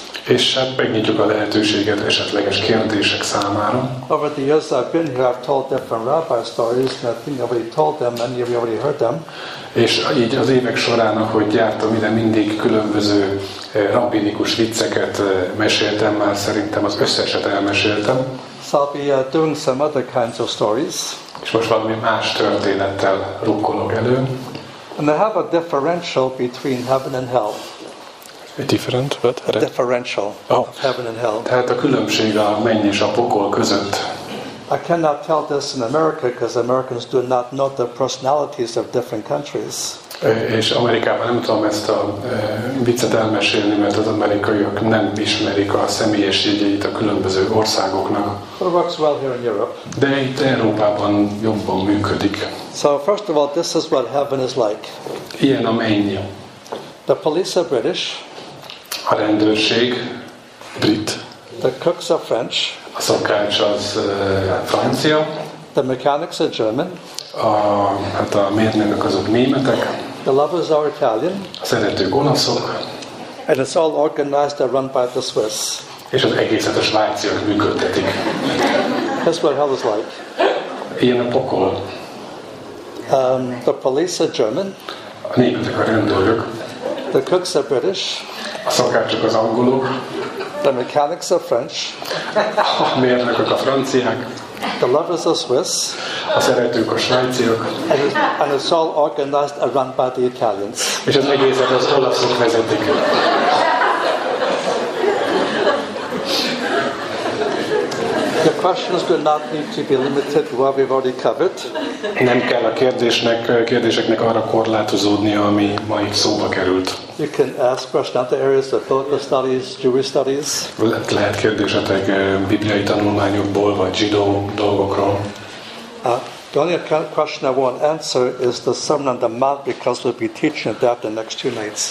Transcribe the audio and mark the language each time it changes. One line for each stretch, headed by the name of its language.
Hungarian: És megnyitjuk a lehetőséget esetleges kérdések számára.
English: Over the years I've been here, I've told different rabbi stories, and I think I've already told them, many of you already heard them.
Hungarian: És így az évek során, ahogy jártam ide, mindig különböző rabbinikus vicceket meséltem már, szerintem az összeset elmeséltem.
English: So I'll be doing some other kinds of stories.
Hungarian: És most valami más történettel rukkolok elő.
English: And they have a differential between heaven and hell. A differential of heaven and hell.
Hungarian: Tehát a különbség a menny és a pokol között.
English: I cannot tell this in America because Americans do not know the personalities of different countries.
Hungarian: És Amerikában nem tudom ezt a viccet elmesélni, mert az amerikaiak nem ismerik a személyiségét a különböző országoknak.
English: But it works well here in Europe.
Hungarian: De itt Európában jobban működik.
English: So first of all, this is what heaven is like.
Hungarian: Ilyen a menny.
English: The police are British.
Hungarian: A rendőrség brit.
English: The cooks are French.
Hungarian: A szokács az francia.
English: The mechanics are German.
Hungarian: A mérnökök azok németek.
English: The lovers are Italian.
Hungarian: A szeretők olaszok.
English: And it's all organized and run by the Swiss.
Hungarian: És az egészet a svájciak működtetik.
English: That's what hell is like.
Hungarian: Ilyen a pokol.
English: The police are German.
Hungarian: A németek a rendőrök.
English: The cooks are British.
Hungarian: A szakácsok az angolok.
English: The mechanics are French.
Hungarian: A mérnökök a franciák.
English: The lovers are Swiss.
Hungarian: A szeretők a svájciak.
English: And it's all organized and run by the Italians.
Hungarian: És az egészet az olaszok vezetik.
English: The questions do not need to be limited to what we've already covered.
Hungarian: Nem kell a kérdéseknek arra korlátozódnia, ami ma itt szóba került.
English: You can ask questions about the areas of biblical studies, Jewish studies.
Hungarian: Lehet kérdésetek bibliai tanulmányokból vagy zsidó dolgokról.
English: The only question I won't answer is the Sermon on the Mount because we'll be teaching that the next two nights.